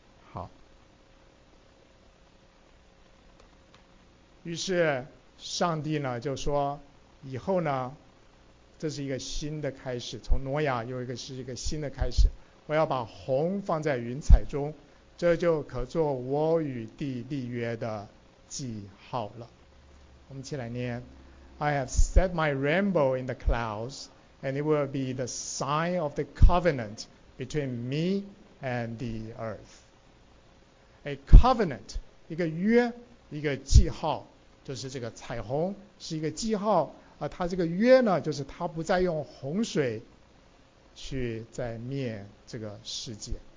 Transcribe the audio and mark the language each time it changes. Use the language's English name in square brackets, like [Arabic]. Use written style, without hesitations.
[Chinese] 好，于是上帝呢就说，以后呢，这是一个新的开始，从挪亚又一个是一个新的开始，我要把虹放在云彩中，这就可做我与地立约的记号了。我们一起来念。 [English] I have set my rainbow in the clouds, and it will be the sign of the covenant between me and the earth. [Chinese] A covenant, 一个约，一个记号，就是这个彩虹是一个记号，而它这个约呢，就是它不再用洪水去再灭这个世界。